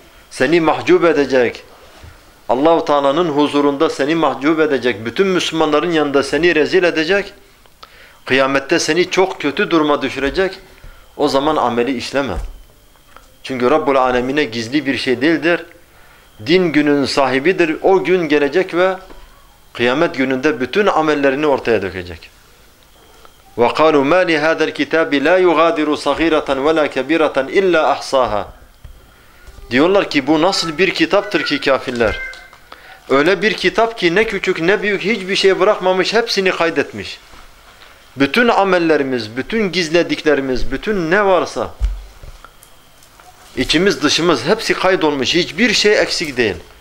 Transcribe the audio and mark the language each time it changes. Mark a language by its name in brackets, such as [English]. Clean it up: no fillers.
[Turkish] Seni mahcup edecek, Allah-u Teala'nın huzurunda seni mahcup edecek, bütün Müslümanların yanında seni rezil edecek, kıyamette seni çok kötü duruma düşürecek, o zaman ameli işleme. Çünkü Rabbul Alemine gizli bir şey değildir. Din gününün sahibidir, o gün gelecek ve kıyamet gününde bütün amellerini ortaya dökecek. [Arabic] وَقَالُوا مَا لِهَذَا الْكِتَابِ لَا يُغَادِرُوا صَغِيرَةً وَلَا كَبِيرَةً إِلَّا أَحْصَاهَا [Turkish] Diyorlar ki bu nasıl bir kitaptır ki kafirler? Öyle bir kitap ki ne küçük ne büyük hiçbir şey bırakmamış, hepsini kaydetmiş. Bütün amellerimiz, bütün gizlediklerimiz, bütün ne varsa İçimiz dışımız hepsi kaydolmuş. Hiçbir şey eksik değil.